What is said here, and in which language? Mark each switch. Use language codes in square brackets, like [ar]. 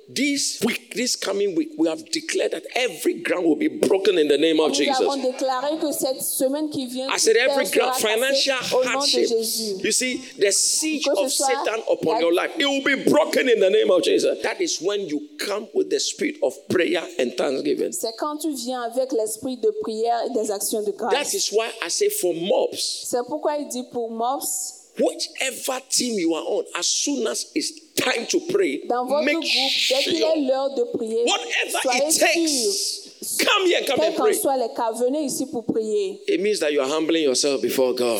[en] this week, this coming week, we have declared that every ground will be broken in the name of Jesus. [fr] Avons déclaré que cette semaine qui vient, [en] I said every ground, financial hardship, you see, the siege of Satan upon your life, it will be broken in the name of Jesus. That is when you come with the spirit of prayer and thanksgiving. [fr] C'est quand tu viens avec l'esprit de prière et des actions de grâce. [en] That is why I say for mobs. [fr] C'est pourquoi il dit pour mobs. [en] Whichever team you are on, as soon as it's time to pray, make [fr] groupe, [en] sure [fr] prier, [en] whatever it takes, come here, come and pray. [fr] Soit les cas, venez ici pour prier. [en] It means that you are humbling yourself before God.